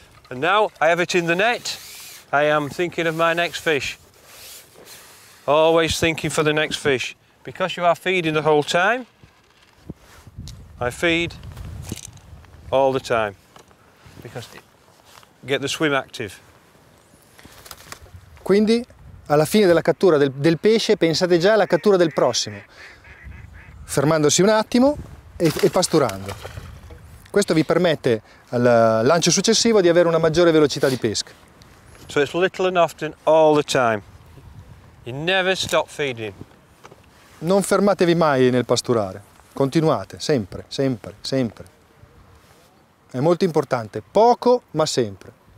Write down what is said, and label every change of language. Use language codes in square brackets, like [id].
[en] And now I have it in the net. I am thinking of my next fish. Always thinking for the next fish. Because you are feeding the whole time, I feed all the time. Because get the swim active. [it] Quindi, alla fine della cattura del pesce, pensate già alla cattura del prossimo. Fermandosi un attimo e pasturando. Questo vi permette al lancio successivo di avere una maggiore velocità di pesca. [en] So it's little and often all the time. You never stop feeding. [it] Non fermatevi mai nel pasturare. Continuate, sempre, sempre, sempre. È molto importante. Poco, ma sempre.